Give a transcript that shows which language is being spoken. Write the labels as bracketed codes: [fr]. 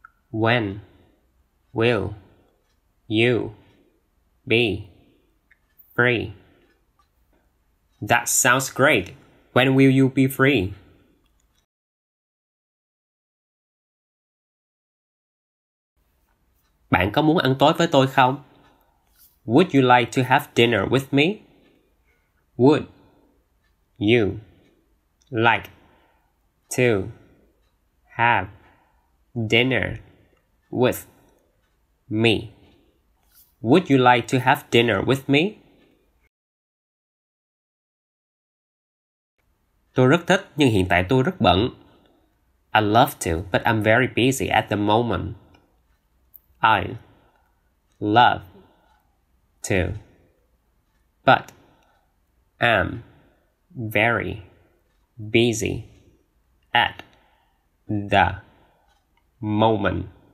[en] When will you be free? That sounds great. When will you be free? [vi] Bạn có muốn ăn tối với tôi không? [en] Would you like to have dinner with me? Would you like to have dinner with me? Would you like to have dinner with me? [vi] Tôi rất thích, nhưng hiện tại tôi rất bận. [en] I'd love to, but I'm very busy at the moment. I love to, but am very busy at the moment.